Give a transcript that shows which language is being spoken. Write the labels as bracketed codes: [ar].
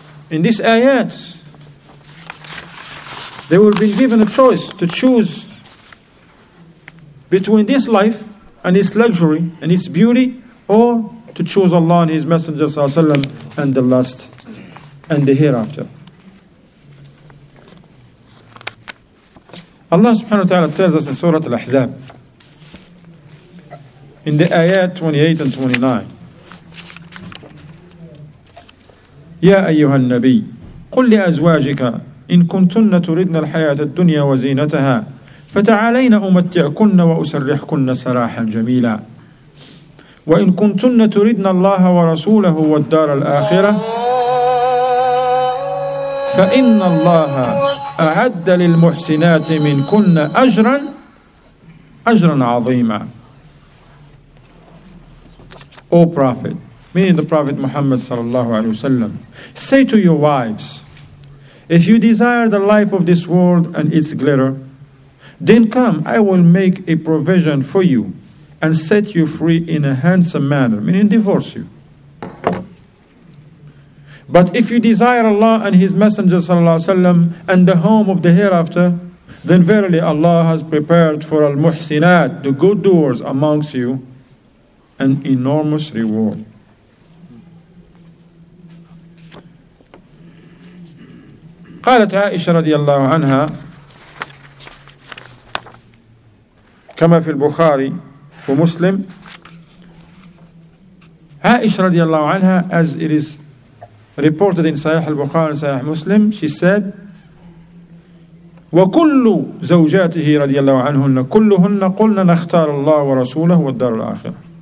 [en] In these ayats, they will be given a choice to choose between this life and its luxury and its beauty, or to choose Allah and His Messenger and the last and the hereafter. Allah subhanahu wa ta'ala tells us in Surah Al-Ahzab, in the ayat 28 and 29, [ar] يا أيها النبي قل لأزواجك إن كنتن تردن الحياة الدنيا وزينتها فتعالين أمتعكن وأسرحكن سراحا جميلا وإن كنتن تردن الله ورسوله والدار الآخرة فإن الله أعد للمحسنات منكن أجرا أجرا عظيما. [en] O Prophet, meaning the Prophet Muhammad sallallahu alayhi wasallam, say to your wives, if you desire the life of this world and its glitter, then come, I will make a provision for you and set you free in a handsome manner, meaning divorce you. But if you desire Allah and His Messenger sallallahu alayhi wasallam and the home of the hereafter, then verily Allah has prepared for al-muhsinat, the good doers amongst you, an enormous reward. [ar] قالت عائشة رضي الله عنها كما في البخاري ومسلم. عائشة رضي الله عنها, as it is reported in صحيح البخاري صحيح مسلم, [en] she said [ar] وكل زوجاته رضي الله عنهن كلهن قلنا نختار الله ورسوله والدار الآخرة.